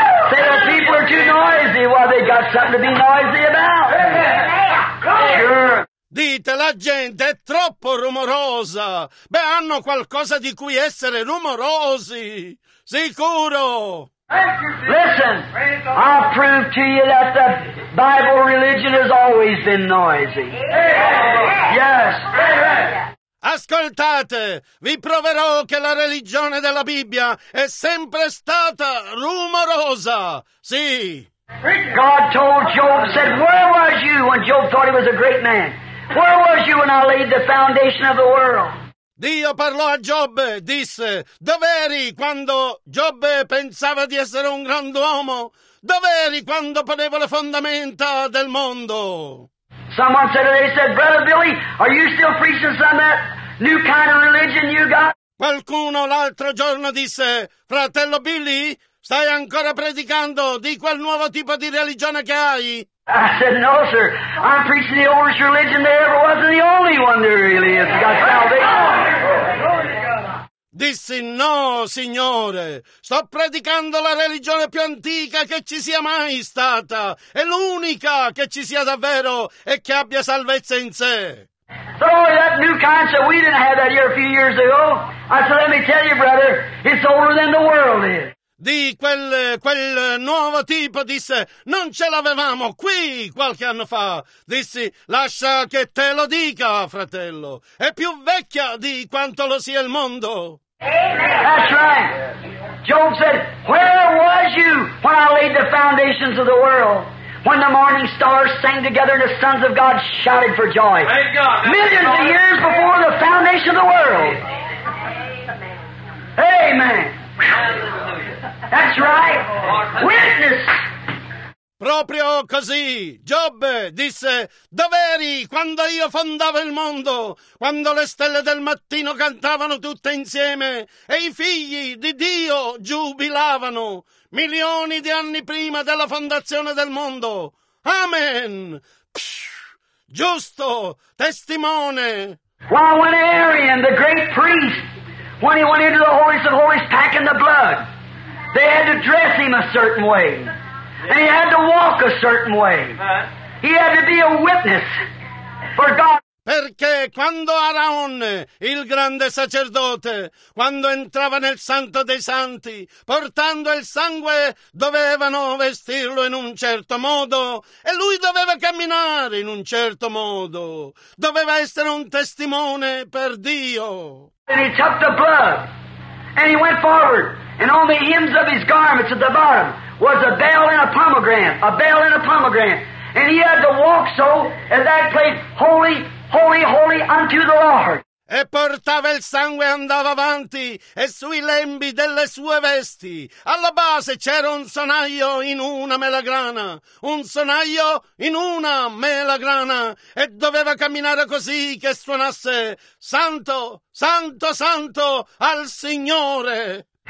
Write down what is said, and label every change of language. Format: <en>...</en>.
<en>Say the people are too noisy. Well, they got something to be noisy about. Sure.</en> <it>Dite, la gente è troppo rumorosa. Beh, hanno qualcosa di cui essere rumorosi. Sicuro.</it> <en>Listen, I'll prove to you that the Bible religion has always been noisy. Yes.</en> <it>Ascoltate, vi proverò che la religione della Bibbia è sempre stata rumorosa. Sì.</it> <en>God told Job, said, where was you when Job thought he was a great man? Where was you when I laid the foundation of the world?</en> <it>Dio parlò a Giobbe, disse, dov'eri quando Giobbe pensava di essere un grand'uomo? Dov'eri quando ponevo le fondamenta del mondo?</it> <en>Someone said, they said, Brother Billy, are you still preaching some of that new kind of religion you got?</en> <it>Qualcuno l'altro giorno disse, Fratello Billy, stai ancora predicando di quel nuovo tipo di religione che hai?</it> <en>I said, no, sir. I'm preaching the oldest religion there ever was and the only one there really is. You got salvation.</en> <it>Dissi, no, Signore, sto predicando la religione più antica che ci sia mai stata, è l'unica che ci sia davvero e che abbia salvezza in sé.</it> <en>So that new kind said, we didn't have that here a few years ago. I said, let me tell you, brother, it's older than the world is.</en> <it>Di quel nuovo tipo, disse, non ce l'avevamo qui qualche anno fa. Dissi, lascia che te lo dica, fratello. È più vecchia di quanto lo sia il mondo.</it> <en>That's right. Job said, where was you when I laid the foundations of the world? when the morning stars sang together and the sons of God shouted for joy. Thank God. That's millions God. Of years before the foundation of the world. Amen. Amen. That's right. Witness.</en> <it>Proprio così, Giobbe disse, dov'eri quando io fondavo il mondo, quando le stelle del mattino cantavano tutte insieme e i figli di Dio giubilavano, milioni di anni prima della fondazione del mondo. Amen! Giusto, testimone!</it> <en>While when Aaron, the great priest, when he went into the holies of holies packing the blood, they had to dress him a certain way. And he had to walk a certain way. He had to be a witness for God.</en> <it>Perché quando Aaron, il grande sacerdote, quando entrava nel Santo dei Santi, portando il sangue, dovevano vestirlo in un certo modo, e lui doveva camminare in un certo modo. Doveva essere un testimone per Dio.</it> <en>And he took the blood, and he went forward, and on the hems of his garments at the bottom, was a bell and a pomegranate, a bell and a pomegranate. And he had to walk so at that place, holy, holy, holy unto the Lord.</en> <it>E portava il sangue e andava avanti, e sui lembi delle sue vesti. Alla base c'era un sonaglio in una melagrana, un sonaglio in una melagrana, e doveva camminare così che suonasse santo, santo, santo al Signore.</it>